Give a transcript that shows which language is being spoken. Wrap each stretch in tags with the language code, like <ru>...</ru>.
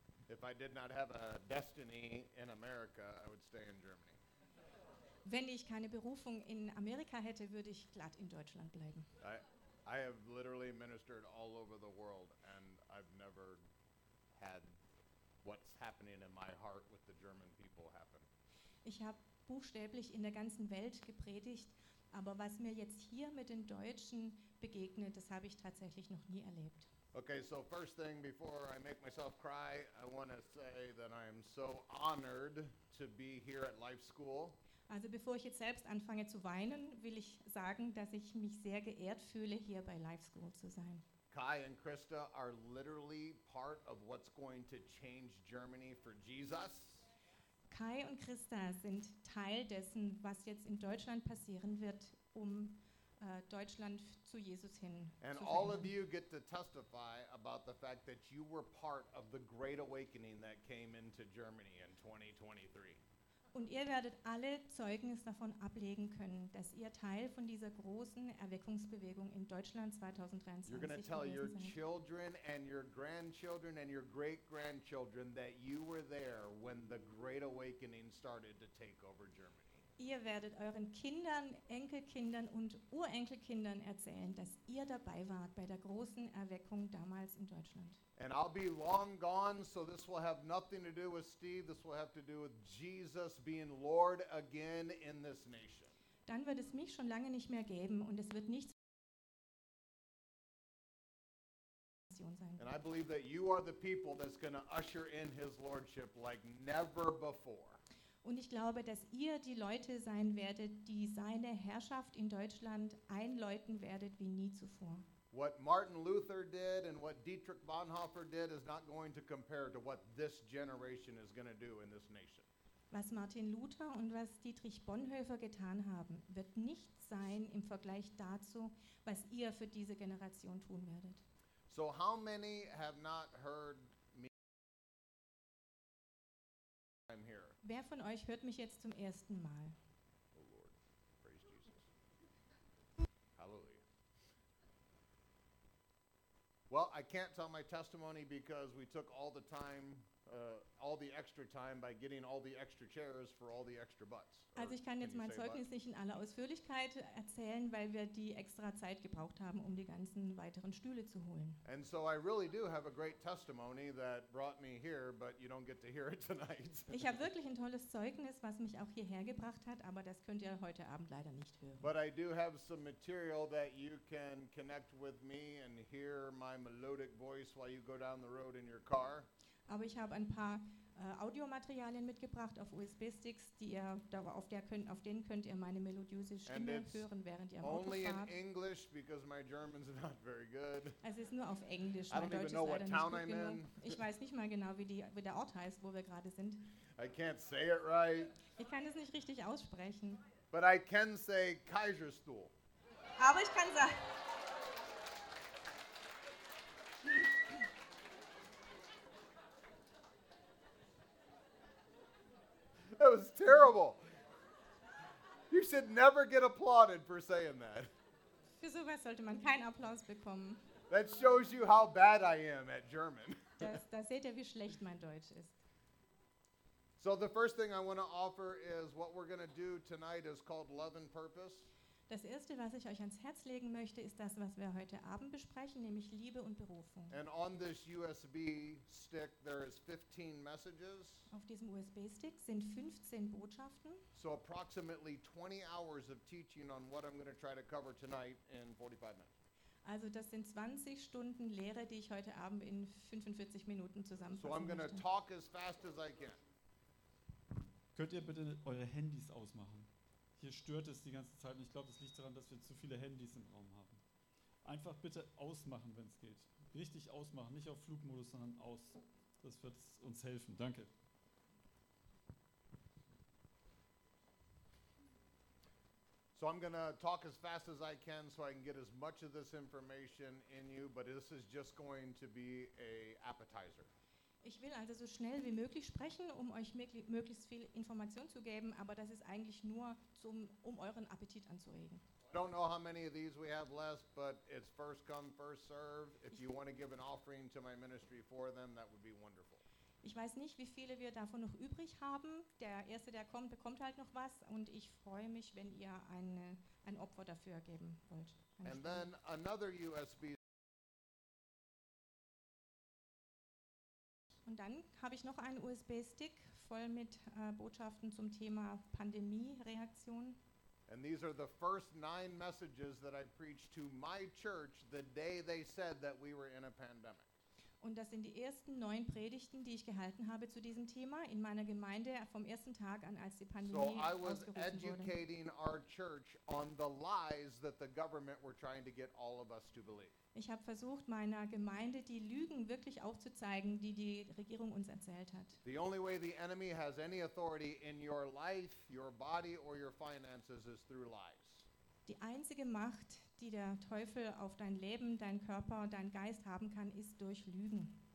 <en>If I did not have a destiny in America, I would stay in Germany.</en> <de>Wenn ich keine Berufung in Amerika hätte, würde ich glatt in Deutschland bleiben.</de> <en>I have literally ministered all over the world and I've never had what's happening in my heart with the German people happen.</en> <de>Ich habe buchstäblich in der ganzen Welt gepredigt, aber was mir jetzt hier mit den Deutschen begegnet, das habe ich tatsächlich noch nie erlebt.</de> <en>Okay, so first thing before I make myself cry, I want to say that I am so honored to be here at Life School.</en> <de>Also bevor ich jetzt selbst anfange zu weinen, will ich sagen, dass ich mich sehr geehrt fühle, hier bei Life School zu sein.</de> <en>Kai and Krista are literally part of what's going to change Germany for Jesus.</en> <de>Kai und Krista sind Teil dessen, was jetzt in Deutschland passieren wird, um Deutschland zu Jesus hin zu bringen.</de> <en>And all of you get to testify about the fact that you were part of the great awakening that came into Germany in 2023.</en> <de>Und ihr werdet alle Zeugnis davon ablegen können, dass ihr Teil von dieser großen Erweckungsbewegung in Deutschland 2023</de> <en>You're gonna tell</en> <de>gewesen</de> <en>your</en> <de>seid.</de> <en>Children and your grandchildren and your great-grandchildren that you were there when the Great Awakening started to take over Germany.</en> <de>Ihr werdet euren Kindern, Enkelkindern und Urenkelkindern erzählen, dass ihr dabei wart bei der großen Erweckung damals in Deutschland.</de> <en>And I'll be long gone, so this will have nothing to do with Steve. This will have to do with Jesus being Lord again in this nation.</en> <de>Dann wird es mich schon lange nicht mehr geben und es wird nichts sein.</de> <en>And I believe that you are the people that's going to usher in his lordship like never before.</en> <de>Und ich glaube, dass ihr die Leute sein werdet, die seine Herrschaft in Deutschland einläuten werdet wie nie zuvor.</de> <en>What Martin Luther did and what Dietrich Bonhoeffer did is not going to compare to what this generation is going to do in this nation.</en> <de>Was Martin Luther und was Dietrich Bonhoeffer getan haben, wird nicht sein im Vergleich dazu, was ihr für diese Generation tun werdet.</de> <en>So how many have not heard me? I'm here.</en> <de>Wer von euch hört mich jetzt zum ersten Mal?</de> <en>Oh Lord, praise Jesus. Hallelujah. Well, I can't tell my testimony because we took all the time all the extra time by getting all the extra chairs for all the extra butts.</en> <de>Also ich kann jetzt mein Zeugnis nicht in aller Ausführlichkeit erzählen, weil wir die extra Zeit gebraucht haben, um die ganzen weiteren Stühle zu holen.</de> <en>And so I really do have a great testimony that brought me here, but you don't get to hear it tonight.</en> <de>Ich habe wirklich ein tolles Zeugnis, was mich auch hierher gebracht hat, aber das könnt ihr heute Abend leider nicht hören.</de> <en>But I do have some material that you can connect with me and hear my melodic voice while you go down the road in your car.</en> <de>Aber ich habe ein paar Audiomaterialien mitgebracht auf USB-Sticks, die ihr da auf denen könnt ihr meine melodiöse Stimme hören, während ihr im Auto</de> <en>only</en> <de>fahrt.</de> <en>In English, because my German's not very good.</en> <de>Also es ist nur auf Englisch, mein Deutsch ist leider nicht gut genug. Ich weiß nicht mal genau, wie der Ort heißt, wo wir gerade sind.</de> <en>I can't say it right.</en> <de>Ich kann es nicht richtig aussprechen.</de> <en>But I can say Kaiserstuhl.</en> <de>Aber ich kann sagen...</de> <en>That was terrible. You should never get applauded for saying that.</en> <de>Für sowas sollte man keinen Applaus bekommen.</de> <en>That shows you how bad I am at German.</en> <de>Da seht ihr, wie schlecht mein Deutsch ist.</de> <en>So the first thing I want to offer is what we're going to do tonight is called Love and Purpose.</en> <de>Das Erste, was ich euch ans Herz legen möchte, ist das, was wir heute Abend besprechen, nämlich Liebe und Berufung.</de> <en>And on this USB stick, there is 15 messages.</en> <de>Auf diesem USB-Stick sind 15 Botschaften.</de> <en>So approximately 20 hours of teaching on what I'm going to try to cover tonight in 45 minutes.</en> <de>Also das sind 20 Stunden Lehre, die ich heute Abend in 45 Minuten zusammenfassen möchte.</de> <en>So I'm going to talk as fast as I can.</en> <de>Könnt ihr bitte eure Handys ausmachen? Hier stört es die ganze Zeit und ich glaube, das liegt daran, dass wir zu viele Handys im Raum haben. Einfach bitte ausmachen, wenn es geht. Richtig ausmachen, nicht auf Flugmodus, sondern aus. Das wird uns helfen. Danke.</de> <en>So I'm going to talk as fast as I can, so I can get as much of this information in you, but this is just going to be a appetizer.</en> <de>Ich will also so schnell wie möglich sprechen, um euch möglichst viel Information zu geben, aber das ist eigentlich nur, um euren Appetit anzuregen.</de> <en>I don't know how many of these we have left, but it's first come, first serve. If you want to give an offering to my ministry for them, that would be wonderful.</en> <de>Ich weiß nicht, wie viele wir davon noch übrig haben. Der Erste, der kommt, bekommt halt noch was und ich freue mich, wenn ihr ein Opfer dafür geben wollt.</de> <en>And then another USB.</en> <de>Und dann habe ich noch einen USB-Stick voll mit Botschaften zum Thema Pandemie-Reaktion.</de> <en>And these are the first 9 messages that I preached to my church the day they said that we were in a pandemic.</en> <de>Und das sind die ersten 9 Predigten, die ich gehalten habe zu diesem Thema in meiner Gemeinde vom ersten Tag an, als die Pandemie ausgerufen wurde.</de> <en>So I was educating our church on the lies that the government were trying to get all of us to believe.</en> <de>Ich habe versucht, meiner Gemeinde die Lügen wirklich aufzuzeigen, die die Regierung uns erzählt hat.</de> <en>The only way the enemy has any authority in your life, your body or your finances is through lies.</en> <de>Die einzige Macht, die der Teufel auf dein Leben, dein Körper, dein Geist haben kann, ist durch Lügen.</de>